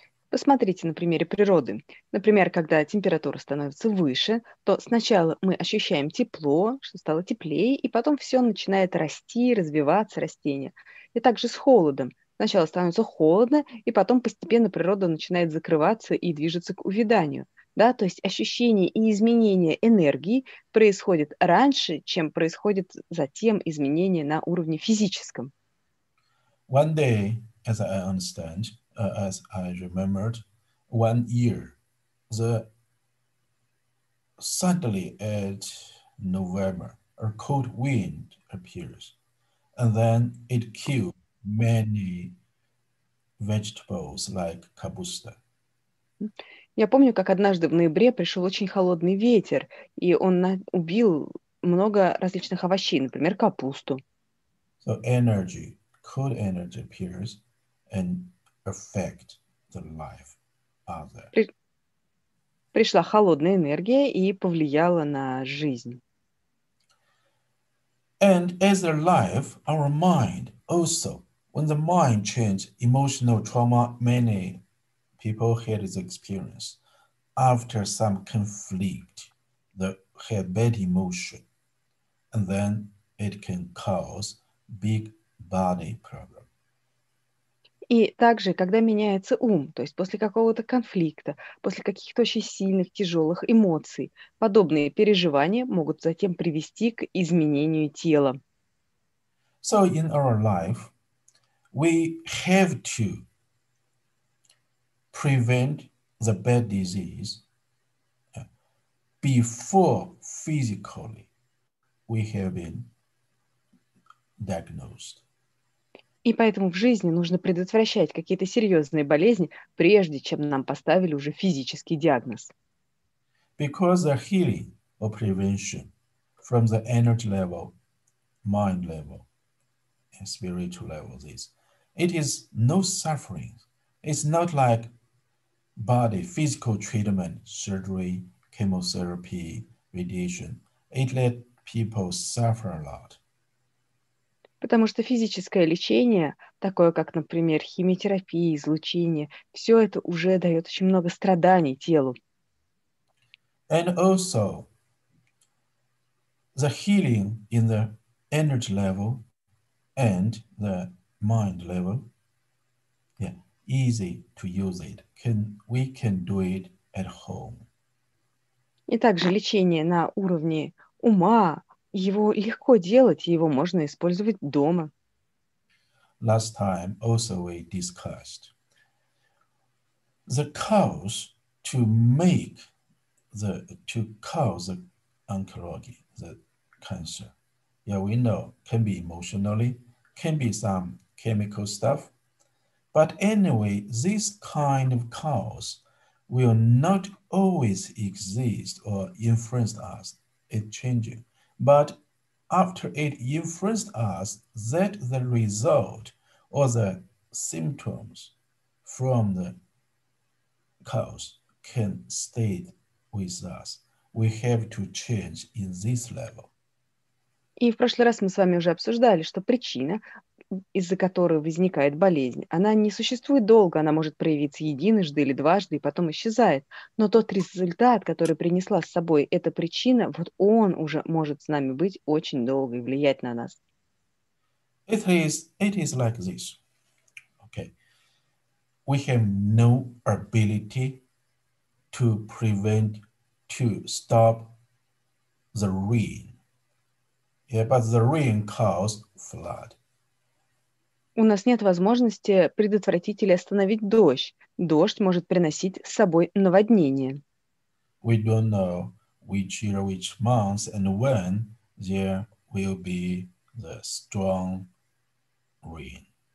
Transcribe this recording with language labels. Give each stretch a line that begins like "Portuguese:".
Russian: Посмотрите на примере природы. Например, когда температура становится выше, то сначала мы ощущаем тепло, что стало теплее, и потом все начинает расти, развиваться растения. И также с холодом. Сначала становится холодно, и потом постепенно природа начинает закрываться и движется к увяданию. Да? То есть ощущение и изменение энергии происходит раньше, чем происходит затем изменение на уровне физическом.
English: One day, as I understand, as I remembered, one year, the suddenly at November, a cold wind appears, and then it kills many vegetables like kapusta.
Russian: Я помню, как однажды в ноябре пришел очень холодный ветер, и он убил много различных овощей, например, капусту.
English: So energy. Cold energy appears and affect the life of the.
Russian: Пришла холодная энергия и повлияла на жизнь.
English: And as a life, our mind also, when the mind change, emotional trauma, many people had this experience. after some conflict the her bad emotion, and then it can cause big body problem.
Russian: И также, когда меняется ум, то есть после какого-то конфликта, после каких-то очень сильных, тяжелых эмоций, подобные переживания могут затем привести к изменению тела.
English: So in our life, we have to prevent the bad disease before physically we have been diagnosed.
Russian: И поэтому в жизни нужно предотвращать какие-то серьезные болезни, прежде чем нам поставили уже физический диагноз.
English: Because the healing or prevention from the energy level, mind level, and spiritual level is, it is no suffering. It's not like body physical treatment, surgery, chemotherapy, radiation. It let people suffer a lot.
Russian: Потому что физическое лечение, такое как, например, химиотерапия, излучение, все это уже дает очень много страданий телу.
English: And also, the healing in the energy level and the mind level, yeah, easy to use it. We can do it at home.
Russian: И также лечение на уровне ума. Его легко делать, его можно использовать дома.
English: Last time also we discussed the cause to make the to cause the oncology, the cancer. Yeah, we know can be emotionally, can be some chemical stuff. But anyway, this kind of cause will not always exist or influence us. It changes. But after it influenced us, that the result or the symptoms from the cause can stay with us. We have to change in this level.
Russian: И в прошлый раз мы с вами уже обсуждали, что причина, из-за которой возникает болезнь, она не существует долго, она может проявиться единожды или дважды, и потом исчезает. Но тот результат, который принесла с собой эта причина, вот он уже может с нами быть очень долго и влиять на нас.
English: It is like this. Okay. We have no ability to prevent, to stop the rain. Yeah, but the rain caused flood.
Russian: У нас нет возможности предотвратить или остановить дождь. Дождь может приносить с собой наводнение.
English: We don't know which year, which month, and when there will be the strong rain.